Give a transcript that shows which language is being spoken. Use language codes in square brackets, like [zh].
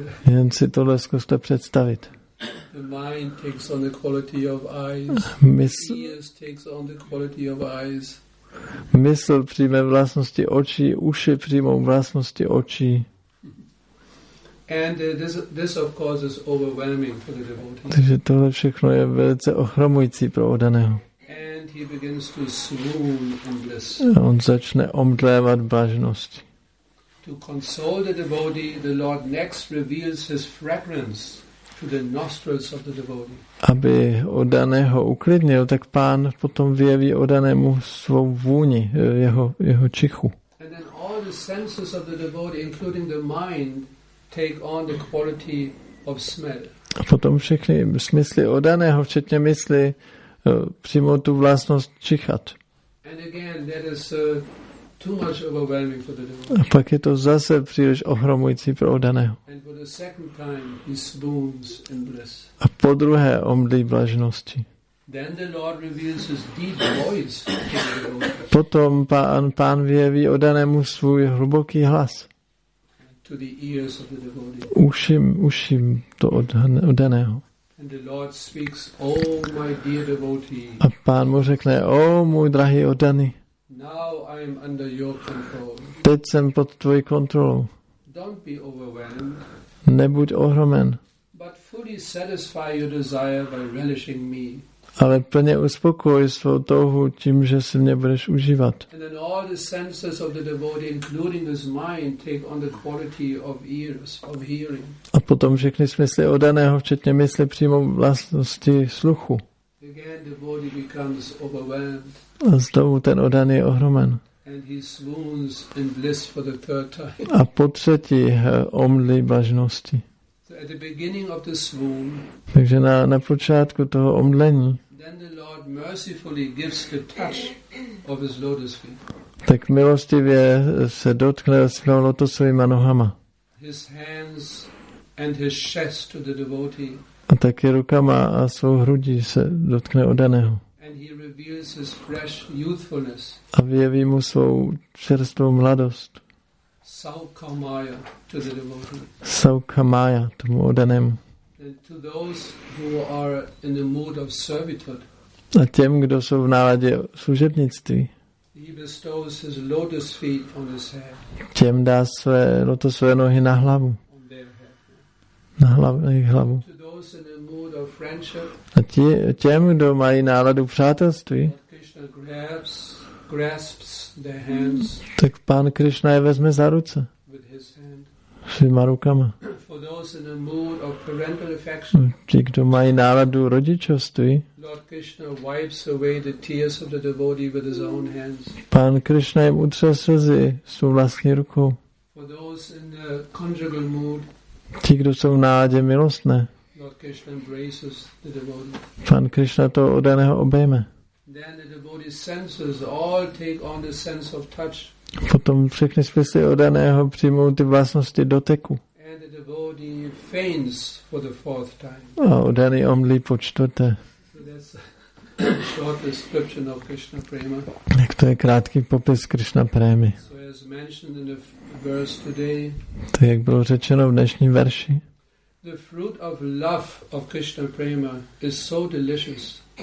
[cs] Jen si tohle zkuste představit. [en] The mind takes on the quality of eyes. Ears takes on the quality of eyes. [cs] Mysl přijme vlastnosti očí, uši přijmou vlastnosti očí. [en] And this of course is overwhelming for the devotee. [cs] Takže tohle všechno je velice ohromující pro oddaného. [en] And he begins to swoon in bliss. [cs] A on začne omdlévat blaženosti. [en] To console the devotee, the Lord next reveals his fragrance to the nostrils of the devotee. [cs] Aby oddaného uklidnil, tak pán potom vyjeví oddanému svou vůni, jeho čichu. [en] And then all the senses of the devotee, including the mind, take on the quality of smell. [cs] A potom všechny smysly oddaného, včetně mysli, přijmou tu vlastnost čichat. [en] And again, that is too much overwhelming for the devotee. [cs] A pak je to zase příliš ohromující pro oddaného. [en] And for the second time, he swoons in bliss. [cs] A po druhé omdlí blaženosti. [en] Then the Lord reveals his deep voice to the devotee. [cs] Potom pán vyjeví oddanému svůj hluboký hlas. [en] To the ears of the devotee. [cs] Uším to oddaného. [en] And the Lord speaks, oh my dear devotee. [cs] A pán mu řekne, o můj drahý oddaný. [en] Now I am under your control. [cs] Teď jsem pod tvojí kontrolou. [en] Don't be overwhelmed. [cs] Nebuď ohromen. [en] But fully satisfy your desire by relishing me. [cs] Ale plně uspokoj svou touhu tím, že si mě budeš užívat. [en] And then all the senses of the devotee, including his mind, take on the quality of ears, of hearing. [cs] A potom všechny smysly oddaného, včetně mysli, přímo vlastnosti sluchu. [en] Again, the devotee becomes overwhelmed. [cs] A znovu ten oddaný je ohromen. [en] And he swoons in bliss for the third time. [cs] A po třetí omdlí blaženosti. [en] At the beginning of the swoon. [cs] Takže na počátku toho omdlení. [en] Then the Lord mercifully gives the touch of his lotus feet. [cs] Tak milostivě se dotkne svého lotosovýma nohama. [en] His hands and his chest to the devotee. [cs] A taky rukama a svou hrudí se dotkne oddaného. [en] And he reveals his fresh youthfulness. [cs] A vyjeví mu svou čerstvou mladost. [en] Saukamaya to the devotee. [cs] Saukamaya tomu oddanému. [en] And to those who are in the mood of servitude. [cs] A těm, kdo jsou v náladě služebnictví. [en] He bestows his lotus feet on his head. [cs] Těm dá své lotosové nohy na hlavu. Na hlavu. [en] To those in the mood of friendship. [cs] A těm, kdo mají náladu přátelství. [en] Krishna grasps their hands. [cs] Tak pán Krishna je vezme za ruce. Svýma rukama. [en] For those in a mood of parental affection. [cs] Ti, kdo mají náladu rodičovství. [en] Lord Krishna wipes away the tears of the devotee with his own hands. [cs] Pán Krishna jim utře slzy svou vlastní rukou. [en] For those in the conjugal mood. [cs] Ti, kdo jsou v náladě milostné. [en] Lord Krishna embraces the devotee. [cs] Pán Krishna to oddaného obejme. [en] Then the devotee senses all take on the sense of touch. [cs] Potom všechny smysly oddaného přijmou ty vlastnosti doteku. [en] And the devotee faints for the fourth time. [cs] A oddaný omdlí po čtvrté. [en] So that's a short description of Krishna prema. [cs] Tak to je krátký popis Krishna prémy. [en] So as mentioned in the verse today. [cs] To jak bylo řečeno v dnešním verši. [en] The fruit of love of Krishna prema is so delicious.